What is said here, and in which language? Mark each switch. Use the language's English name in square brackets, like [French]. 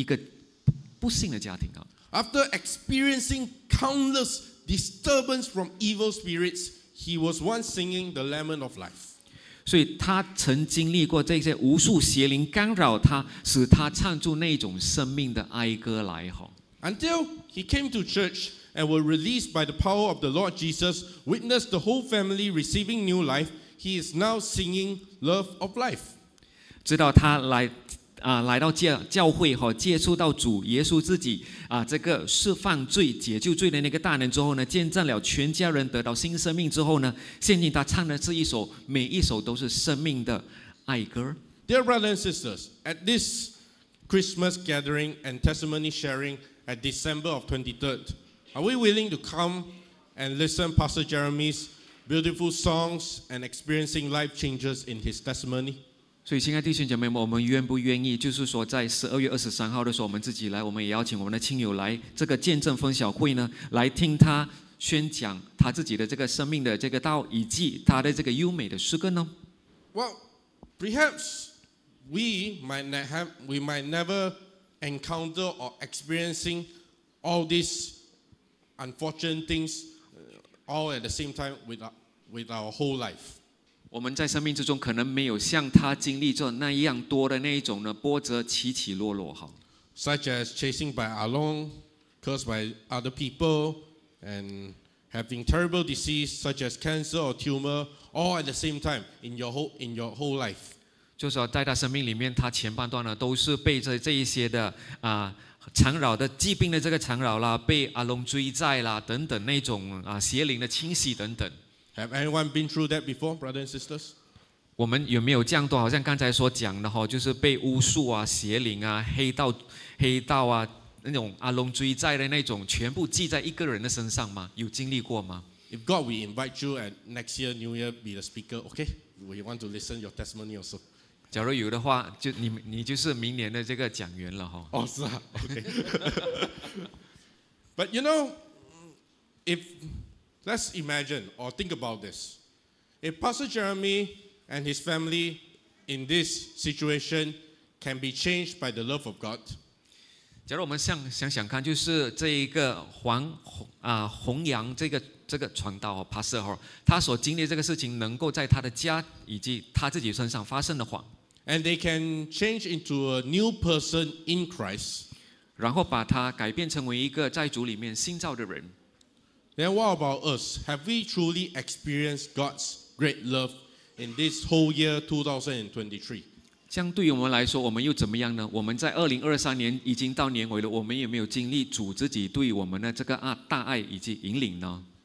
[Chinese] 所以换句话说呢，可以说他的那个家庭呢是被黑暗所笼罩的一个不幸的家庭啊。 [English] After experiencing countless disturbance from evil spirits, he was once singing the lament of life. [Chinese] 所以他曾经历过这些无数邪灵干扰他，使他唱出那种生命的哀歌来。 [English] Until he came to church and was released by the power of the Lord Jesus, witnessed the whole family receiving new life, he is now singing Love of Life. [Chinese] 直到他来啊，来到教会和接触到主耶稣自己啊，这个释放罪、解救罪的那个大能之后呢，见证了全家人得到新生命之后呢，现今他唱的这一首，每一首都是生命的爱歌。 [English] Dear brothers and sisters, at this Christmas gathering and testimony sharing at December of 23rd, are we willing to come and listen Pastor Jeremy's beautiful songs and experiencing life changes in his testimony? [Chinese] 所以，亲爱弟兄姐妹们，我们愿不愿意，就是说，在12月23号的时候，我们自己来，我们也邀请我们的亲友来这个见证分享会呢，来听他宣讲他自己的这个生命的这个道，以及他的这个优美的诗歌呢 [English] ？Well, perhaps we might never encounter or experiencing all these unfortunate things all at the same time with our whole life. [Chinese] 我们在生命之中可能没有像他经历着那样多的那一种的波折起起落落哈 [English] ，such as chasing by along, cursed by other people, and having terrible disease such as cancer or tumor, all at the same time in your whole life. [Chinese] 就是说在他生命里面，他前半段呢都是被这一些的啊缠绕的疾病的这个缠绕啦，被阿龙追债啦等等那种啊邪灵的侵袭等等。 [English] Have anyone been through that before, brothers and sisters? [Chinese] 我们有没有这样多？好像刚才所讲的哈，就是被巫术啊、邪灵啊、黑道啊那种阿龙追债的那种，全部记在一个人的身上吗？有经历过吗 [English] ？If God, we invite you at next year New Year be the speaker, okay? We want to listen your testimony also. [Chinese] 假如有的话，就你就是明年的这个讲员了哈。哦，是啊 ，okay. [English] But you know, if Let's imagine or think about this. If Pastor Jeremy and his family in this situation can be changed by the love of God, [Chinese] 假如我们想看，就是这一个弘扬这个传道 Pastor 他所经历这个事情能够在他的家以及他自己身上发生的话 [English] ，and they can change into a new person in Christ, [Chinese] 然后把他改变成为一个在主里面新造的人。 [English] Then what about us? Have we truly experienced God's great love in this whole year 2023? [Chinese] 相对于我们来说，我们又怎么样呢？我们在2023年已经到年尾了，我们有没有经历主自己对我们的这个大爱以及引领呢